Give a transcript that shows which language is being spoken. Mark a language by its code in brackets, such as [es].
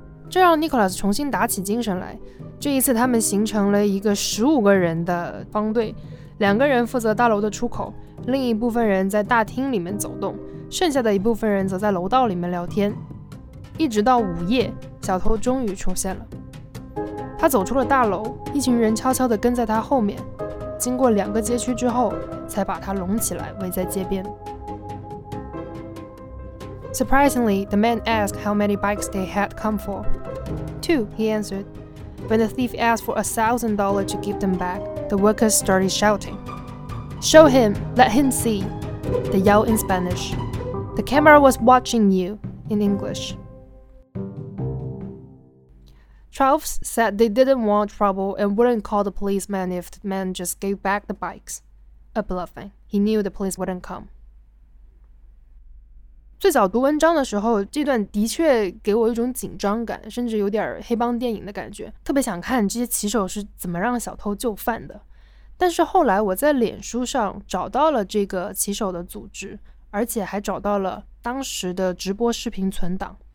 [zh] 这让 Nicholas 重新打起精神来，这一次他们形成了一个15个人的方队，2个人负责大楼的出口，另一部分人在大厅里面走动，剩下的一部分人则在楼道里面聊天。一直到午夜，小偷终于出现了。他走出了大楼，一群人悄悄地跟在他后面，经过2个街区之后，才把他拢起来围在街边。 [en] Surprisingly, the man asked how many bikes they had come for. Two, he answered. When the thief asked for $1,000 to give them back, the workers started shouting. Show him, let him see. They yelled in Spanish. The camera was watching you, in English. Charles said they didn't want trouble and wouldn't call the policeman if the man just gave back the bikes. A bluffing. He knew the police wouldn't come. [zh] 最早读文章的时候，这段的确给我一种紧张感，甚至有点黑帮电影的感觉，特别想看这些骑手是怎么让小偷就范的。但是后来我在脸书上找到了这个骑手的组织，而且还找到了当时的直播视频存档。